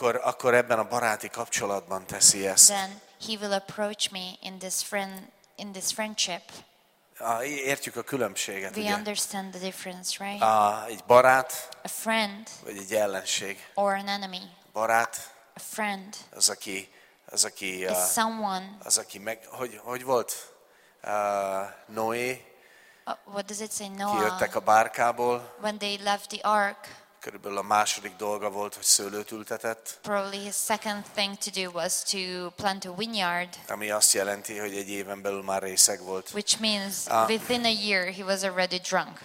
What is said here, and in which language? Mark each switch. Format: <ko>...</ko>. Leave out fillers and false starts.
<hu>akkor ebben a baráti kapcsolatban teszi ezt.</hu> <en>Then he will approach me in this friendship.</en> <hu>Értjük a különbséget,</hu> <en>we understand the difference, right?</en> <hu>Egy barát,</hu> <en>a friend,</en> <hu>vagy egy ellenség.</hu> <en>Or an enemy.</en> <hu>Barát,</hu> <en>a friend,</en> <hu>az aki</hu> <en>is someone,</en> <hu>az aki meg, hogy volt Noé,</hu> <en>what does it say, Noah?</en> <hu>Kijöttek a bárkából.</hu> <en>When they left the ark.</en> <hu>Körülbelül a második dolga volt, hogy szőlőt ültetett.</hu> <en>Probably his second thing to do was to plant a vineyard.</en> <hu>Ami azt jelenti, hogy egy éven belül már részeg volt.</hu> <en>Which means within a year he was already drunk.</en>